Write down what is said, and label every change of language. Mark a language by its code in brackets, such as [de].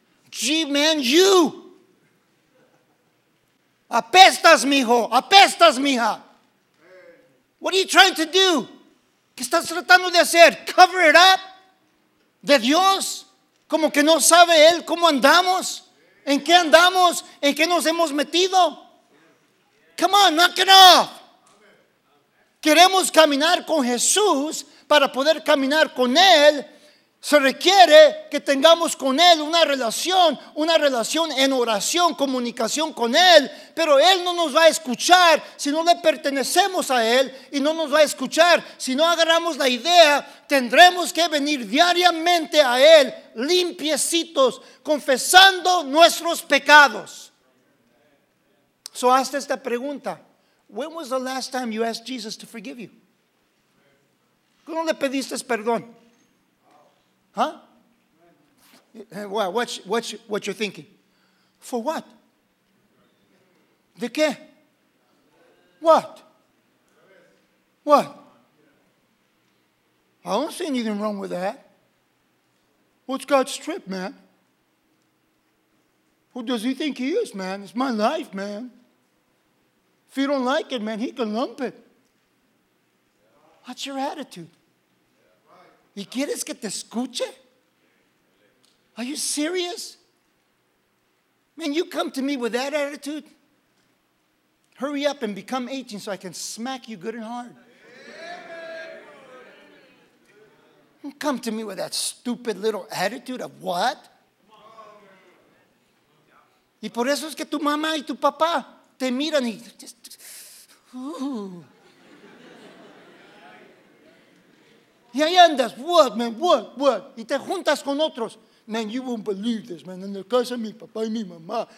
[en] Gee, man, you. [es] Apestas, mijo. Apestas, mija. [en] What are you trying to do? [es] ¿Qué estás tratando de hacer? [en] Cover it up? [es] De Dios? Como que no sabe Él cómo andamos? ¿En qué andamos? ¿En qué nos hemos metido? [en] Come on, knock it off. [es] Queremos caminar con Jesús, para poder caminar con Él, se requiere que tengamos con Él una relación en oración, comunicación con Él, pero Él no nos va a escuchar si no le pertenecemos a Él y no nos va a escuchar si no agarramos la idea, tendremos que venir diariamente a Él, limpiecitos, confesando nuestros pecados. So hazte esta pregunta. [en] When was the last time you asked Jesus to forgive you? [es] ¿Cómo le pediste perdón? [en] Huh? Well, what you're thinking. For what? [es] ¿De qué? [en] What? I don't see anything wrong with that. What's God's trip, man? Who does he think he is, man? It's my life, man. If you don't like it, man, he can lump it. What's your attitude? [es] ¿Y quieres que te escuche? [en] Are you serious? Man, you come to me with that attitude? Hurry up and become 18 so I can smack you good and hard. Don't come to me with that stupid little attitude of what? [es] Y por eso es que tu mamá y tu papá te miran y just, ooh. Y ahí andas, [en] what, man, what? [es] Y te juntas con otros. [en] Man, you won't believe this, man. [es] En la casa de mi papá y mi mamá.